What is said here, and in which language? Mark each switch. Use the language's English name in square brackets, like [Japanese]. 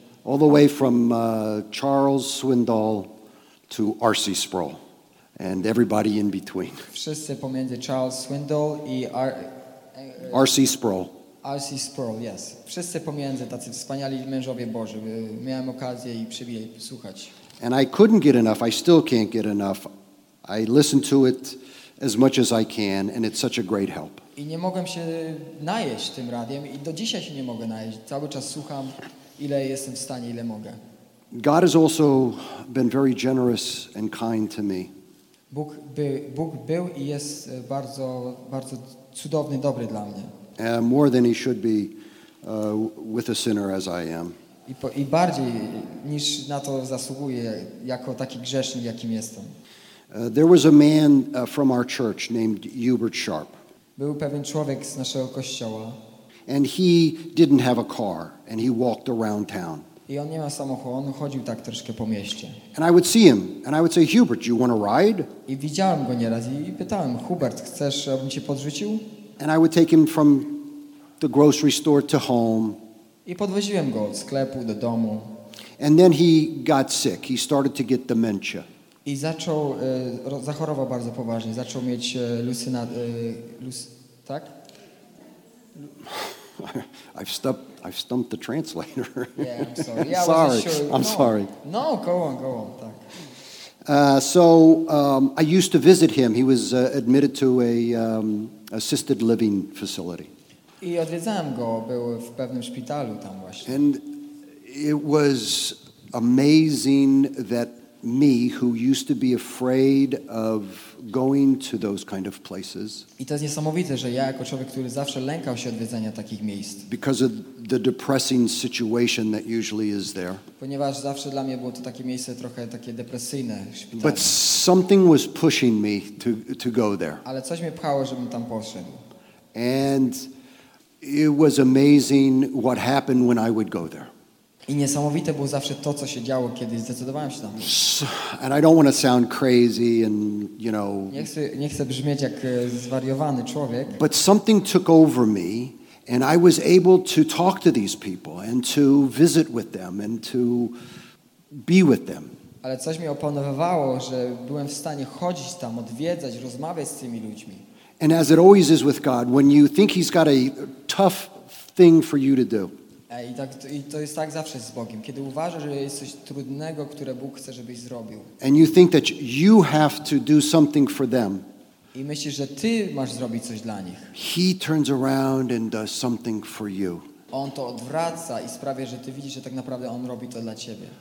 [English] All the way from Charles Swindoll to R.C. Sproul and everybody in between. [Polish] Wszyscy pomiędzy Charles Swindoll i R.C. Sproul. [English] R.C. Sproul, yes. [Polish] Wszyscy pomiędzy, tacy wspaniali mężowie Boży. Miałem okazję i przywilej słuchać. [English] And I couldn't get enough. I still can't get enough. I listen to it as much as I can and it's such a great help. [Polish] I nie mogłem się najeść tym radiem i do dzisiaj się nie mogę najeść. Cały czas słucham, ile jestem w stanie, ile mogę. [English] God has also been very generous and kind to me. [Polish] Bóg był i jest bardzo, bardzo cudowny, dobry dla mnie. [English] More than he should be with a sinner as I am. [Polish] I bardziej niż na to zasługuję jako taki grzesznik, jakim jestem. [English] There was a man from our church named Hubert Sharp. [Polish] Był pewien człowiek z naszego kościoła. [English] And he didn't have a car and he walked around town. [Polish] I on nie ma samochodu, on chodził tak troszkę po mieście. [English] And I would see him and I would say, Hubert, you want to ride? [Polish] I widziałem go nieraz i pytałem, Hubert, chcesz, abym cię podrzucił? [English] And I would take him from the grocery store to home. [Polish] I podwoziłem go od sklepu do domu. [English] And then he got sick. He started to get dementia. [Polish] I zaczął zachorował bardzo poważnie. Zaczął mieć lucynację, tak? [English] I've stumped the translator. Yeah, I'm sorry. Yeah, sorry. Go on. I used to visit him. He was admitted to a assisted living facility. [Polish] I odwiedzałem go, był w pewnym szpitalu tam właśnie. [English] And it was amazing that me, who used to be afraid of going to those kind of places. [Polish] I to jest niesamowite, że ja jako człowiek, który zawsze lękał się odwiedzenia takich miejsc. [English] Because of the depressing situation that usually is there. [Polish] Ponieważ zawsze dla mnie było to takie miejsce trochę takie depresyjne. [English] But something was pushing me to go there. [Polish] Ale coś mnie pchało, żebym tam poszedł. [English] And it was amazing what happened when I would go there. [Polish] I niesamowite było zawsze to, co się działo, kiedy zdecydowałem się tam. [English] And I don't want to sound crazy and, you know. [Polish] Nie chcę brzmieć jak zwariowany człowiek. [English] But something took over me and I was able to talk to these people and to visit with them and to be with them. [Polish] Ale coś mnie opanowywało, że byłem w stanie chodzić tam, odwiedzać, rozmawiać z tymi ludźmi. [English] And as it always is with God, when you think he's got a tough thing for you to do. [Polish] I to jest tak zawsze z Bogiem. Kiedy uważasz, że jest coś trudnego, które Bóg chce, żebyś zrobił. [English] And you think that you have to do something for them. [Polish] I myślisz, że ty masz zrobić coś dla nich. [English] He turns around and does something for you. [Polish] On to odwraca i sprawia, że ty widzisz, że tak naprawdę on robi to dla ciebie.